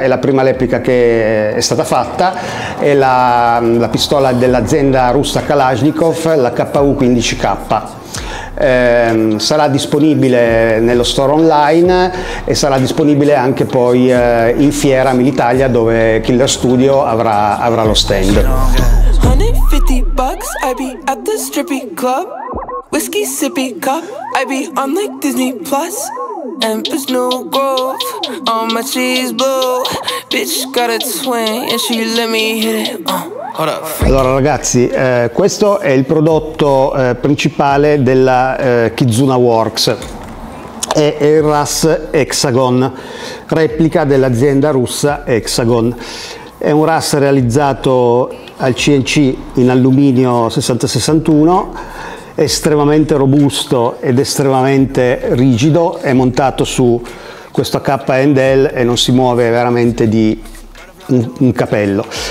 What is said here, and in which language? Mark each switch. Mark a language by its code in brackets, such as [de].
[it] È la prima replica che è stata fatta, è la pistola dell'azienda russa Kalashnikov, la KU-15K. Sarà disponibile nello store online e sarà disponibile anche poi in fiera a Militalia, dove Killer Studio avrà lo stand. [en] 150 bucks, I be at the strippy club. Whiskey sippy cup, I be on like Disney Plus. And there's no growth on my cheese blue. Bitch got a twin and she let me hit it. [it] Allora ragazzi, questo è il prodotto principale della Kizuna Works. è Airrus Hexagon, replica dell'azienda russa Hexagon. È un RAS realizzato al CNC in alluminio 6061, estremamente robusto ed estremamente rigido, è montato su questo AKN Dell e non si muove veramente di un capello.